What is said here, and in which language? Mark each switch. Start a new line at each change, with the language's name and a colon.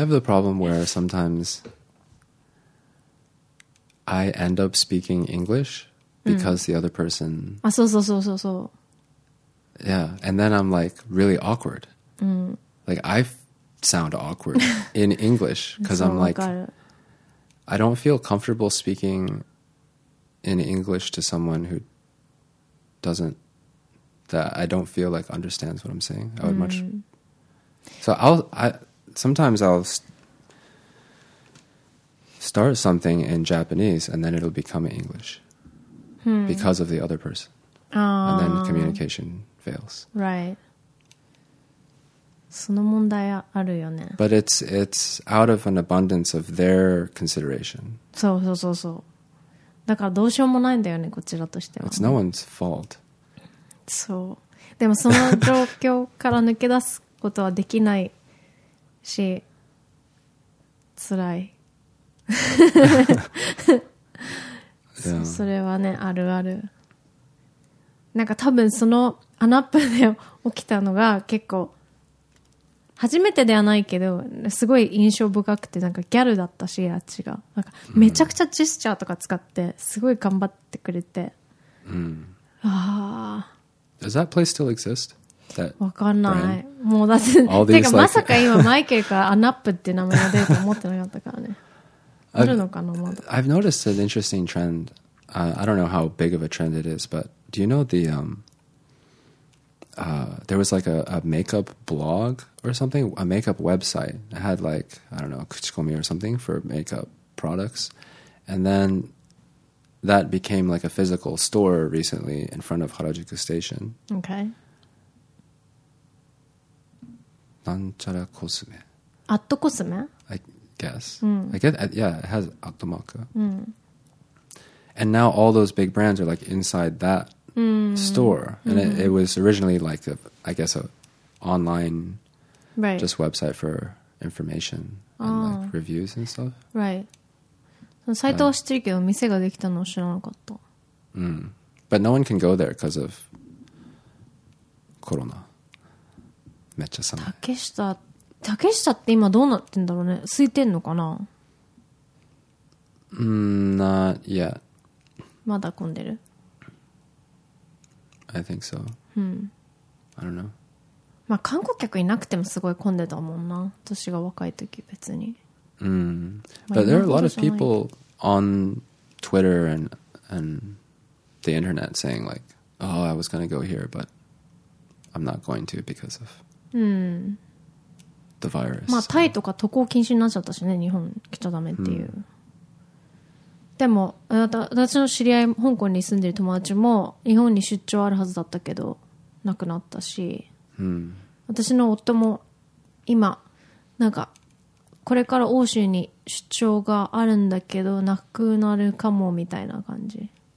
English: I have the problem where sometimes I end up speaking English because the other person.
Japanese: あ、そうそうそうそうそう。
English: Yeah, and then I'm like really awkward. Like I sound awkward in English because I'm like. I don't feel comfortable speaking in English to someone who doesn't, that I don't feel like understands what I'm saying. I would much, so I'll start something in Japanese and then it'll become English because of the other person. And then communication fails.
Japanese: Right. その問題あるよね。
English: But it's out of an abundance of their consideration.
Japanese: そうそうそうそう。だからどうしようもないんだよね、こちらとしては。
English: It's no one's fault.
Japanese: そう。でもその状況から抜け出すことはできないし、辛い。
English: yeah.
Japanese: それはね、あるある。なんか多分そのアナップで起きたのが結構初めてではないけど、すごい印象深くて、なんかギャルだったし、あっちが。なんかめちゃくちゃジェスチャーとか使って、すごい頑張ってくれて。ああ。
English: Does that place still exist?
Japanese: わかんない。もうだって、てかまさか今マイケルからアナップって名前が出ると思ってなかったからね。あるのかな、まだ。
English: I've noticed an interesting trend. I don't know how big of a trend it is, but do you know the, there was like a makeup blog or something, a makeup website. It had like, I don't know, Kuchikomi or something for makeup products. And then that became like a physical store recently in front of Harajuku Station. Okay.
Japanese: Nanchara Kosume. Atto Kosume?
English: I guess. I guess, yeah, it has Atto Maka. And now all those big brands are like inside that. Store and it was originally like a, I guess a online right just website for information and like reviews and stuff
Japanese: right そのサイトは知ってるけど店ができたのを知らなかった
English: but no one can go there because of コロナ
Japanese: めっちゃ寒い。竹下って今どうなってんだろうね。空いてんのかな。
English: うん、not yet。
Japanese: まだ混んでる。
English: I think so。
Japanese: うん。
English: I don't know。
Japanese: まあ観光客いなくてもすごい混んでたもんな。年が若い時別に。うん。
English: But there are a lot of people on Twitter and the internet saying like, oh, I was gonna go here, but I'm not going to because of。
Japanese: うん。
English: The virus,
Japanese: まあタイとか渡航禁止になっちゃったしね、日本来ちゃダメっていう、うん、でも私の知り合い、香港に住んでる友達も日本に出張あるはずだったけど亡くなったし、うん、私の夫も今なんかこれから欧州に出張があるんだけど亡くなるかもみたいな感じ。